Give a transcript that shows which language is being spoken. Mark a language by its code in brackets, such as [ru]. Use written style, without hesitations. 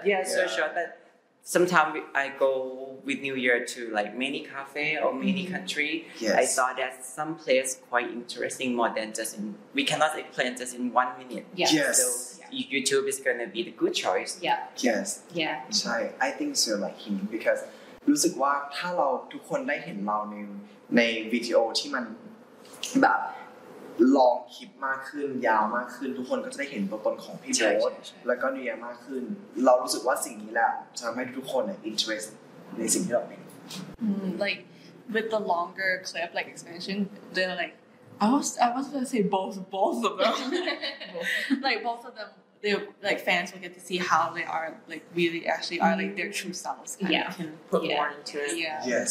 [en] Yeah, so short. But sometimes I go with New Year to like many cafe or many country. Yes. I saw that some place quite interesting more than just in. We cannot explain just in 1 minute. Yes. YouTube is gonna be the good choice. Yeah. Yes. Yeah. [th] ใช่ [en] I think so like him because [th] รู้สึกว่าถ้าเราทุกคนได้เห็นเราในวิดีโอที่มันแบบลองคลิปมากขึ้นยาวมากขึ้นทุกคนก็จะได้เห็นตัวตนของพี่โบ๊ทแล้วก็เนี่ยมากขึ้นเรารู้สึกว่าสิ่งนี้แหละจะทำให้ทุกคนinterest ในสิ่งที่เราเป็น [en] Like with the longer clip like expansion then likeI was gonna say both of them, like both of them. They like fans will get to see how they are, like really actually are like their true selves. Kind yeah, of. Can put more into it. Yeah. Yes.